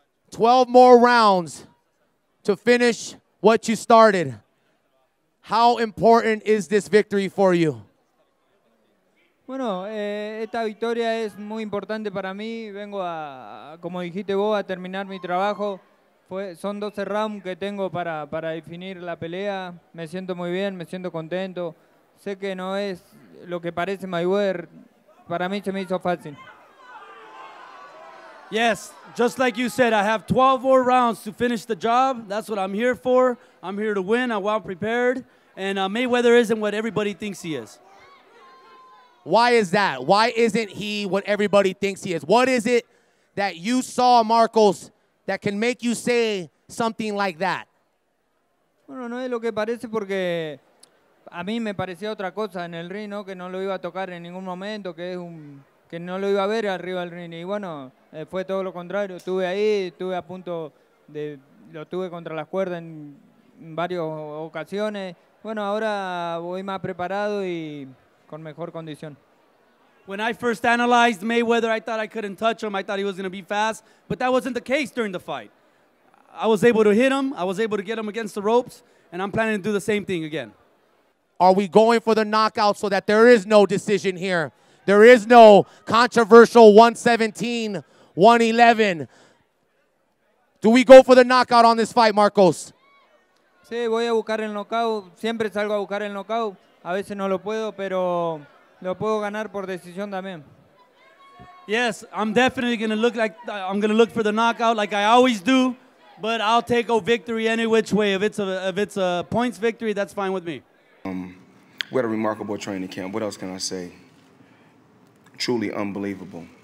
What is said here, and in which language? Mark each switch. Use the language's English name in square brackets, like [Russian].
[English] Twelve more rounds to finish what you started. How important is this victory for you? [Spanish] Bueno, esta victoria es muy importante para mí. Vengo a, como dijiste vos, a terminar mi trabajo. Son 12 rounds que tengo para definir la pelea. Me siento muy bien, me siento contento. Sé que no es lo que parece Mayweather. Para mí se me hizo fácil. [English] Yes, just like you said, I have 12 more rounds to finish the job. That's what I'm here for. I'm here to win. I'm well prepared. And Mayweather isn't what everybody thinks he is. Why is that? Why isn't he what everybody thinks he is? What is it that you saw, Marcos, that can make you say something like that? [Spanish] Bueno, no es lo que parece porque a mí me parecía otra cosa en el ring, ¿no? Que no lo iba a tocar en ningún momento, que es un... que no lo iba a ver arriba del ring. Y bueno, fue todo lo contrario. Estuve ahí, estuve a punto de... lo tuve contra las cuerdas en varias ocasiones. Bueno, ahora voy más preparado y con mejor condición. [English] When I first analyzed Mayweather, I thought I couldn't touch him. I thought he was going to be fast. But that wasn't the case during the fight. I was able to hit him. I was able to get him against the ropes. And I'm planning to do the same thing again. Are we going for the knockout so that there is no decision here? There is no controversial 117, 111. Do we go for the knockout on this fight, Marcos? [Spanish] Sí, voy a buscar el knockout. Siempre salgo a buscar el knockout. A veces no lo puedo, pero lo puedo ganar por decisión también. [English] Yes, I'm definitely going to look like I'm going to look for the knockout like I always do, but I'll take a victory any which way. If it's a points victory, that's fine with me. We had a remarkable training camp. What else can I say? Truly unbelievable.